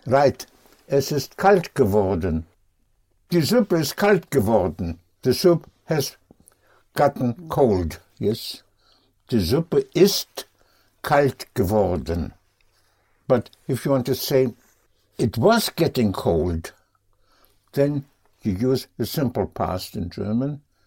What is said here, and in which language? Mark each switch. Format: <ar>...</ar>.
<de>Right, es ist kalt geworden. Die Suppe ist kalt geworden.</de> <en>The soup has gotten cold, yes.</en> <de>Die Suppe ist kalt geworden.</de> <en>But if you want to say it was getting cold, then you use the simple past in German.</en>